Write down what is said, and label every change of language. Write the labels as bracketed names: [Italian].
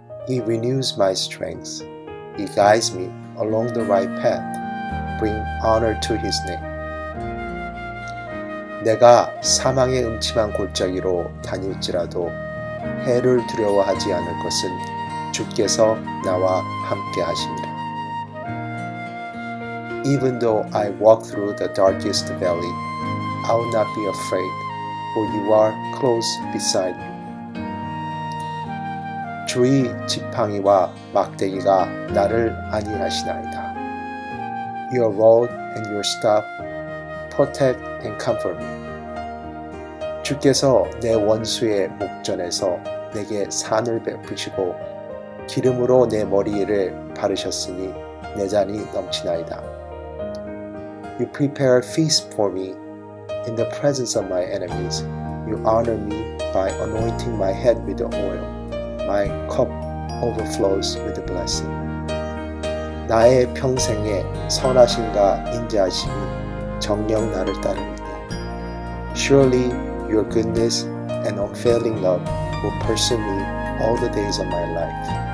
[English] He renews my strength. He guides me along the right path. Bring honor to his name. [Korean] 내가 사망의 음침한 골짜기로 다닐지라도 해를 두려워하지 않을 것은 주께서 나와 함께 하심이라. [English] Even though I walk through the darkest valley, I will not be afraid, for you are close beside me. [Korean] 주의 지팡이와 막대기가 나를 안위하시나이다. [English] Your rod and your staff protect and comfort me. [Korean] 주께서 내 원수의 목전에서 내게 산을 베푸시고 기름으로 내 머리를 바르셨으니 내 잔이 넘치나이다. [English] You prepare a feast for me. In the presence of my enemies, you honor me by anointing my head with oil. My cup overflows with blessing. [Korean] 나의 평생에 선하심과 인자하심이 정녕 나를 따릅니다. [English] Surely your goodness and unfailing love will pursue me all the days of my life.